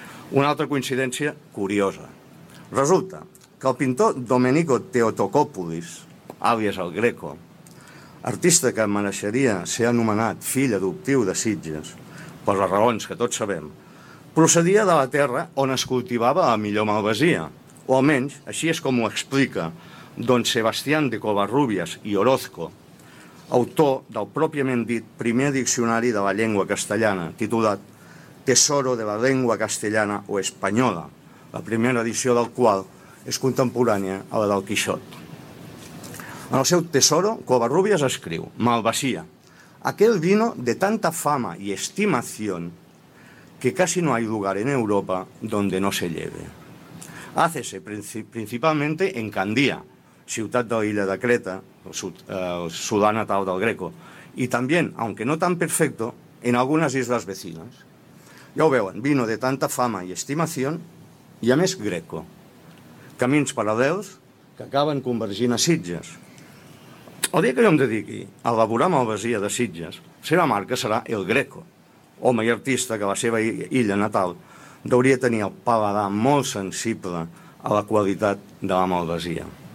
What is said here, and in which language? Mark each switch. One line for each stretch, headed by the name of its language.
Catalan: Una altra coincidència curiosa. Resulta que el pintor Domenico Teotocòpolis, àlies el Greco, artista que mereixeria ser anomenat fill adoptiu de Sitges, per les raons que tots sabem, procedia de la terra on es cultivava la millor malvasia, o almenys així és com ho explica don Sebastián de Covarrubias i Orozco, autor del pròpiament dit primer diccionari de la llengua castellana, titulat Tesoro de la lengua castellana o española, la primera edició del qual és contemporània a la del Quixot. En el seu Tesoro, Covarrubias escriu:
Spanish: malvasia, aquel vino de tanta fama y estimación que casi no hay lugar en Europa donde no se lleve. Hácese principalmente en Candía,
Catalan: ciutat de l'illa de Creta, el sudà natal del Greco,
Spanish: y también, aunque no tan perfecto, en algunas islas vecinas.
Catalan: Ja ho veuen,
Spanish: vino de tanta fama y estimación, y
Catalan: a més
Spanish: Greco.
Catalan: Camins paral·lels que acaben convergint a Sitges. El dia que jo em dediqui a elaborar malvasia de Sitges, la seva marca serà el Greco, home i artista que a la seva illa natal deuria tenir el paladar molt sensible a la qualitat de la malvasia.